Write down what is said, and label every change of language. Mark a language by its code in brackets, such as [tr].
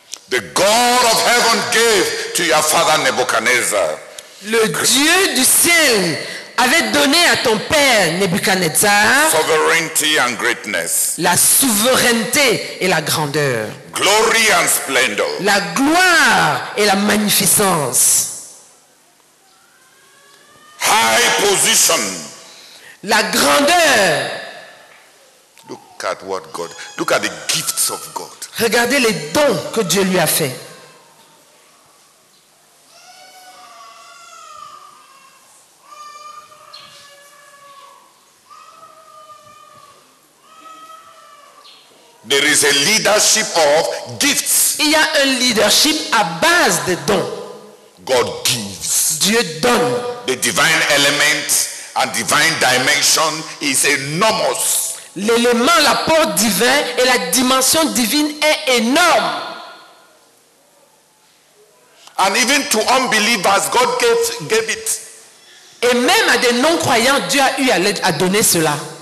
[en] the God of heaven gave to your father Nebuchadnezzar. [fr] Le Dieu du ciel avait donné à ton père Nebuchadnezzar [en] sovereignty and greatness. [fr] La souveraineté et la grandeur. [en] Glory and splendor. [fr] La gloire et la magnificence. [en] High position. [fr] La grandeur. [en] Look at what God. Look at the gifts of God. [fr] Regardez les dons que Dieu lui a fait. [en] There is a leadership of gifts. [fr] Il y a un leadership à base de dons. [en] God gives. [fr] Dieu donne. [en] The divine element and divine dimension is enormous. [fr] L'élément, l'apport divin et la dimension divine est énorme. [en] And even to unbelievers, God gave it. [fr] Et même à des non-croyants, Dieu a eu à donner cela.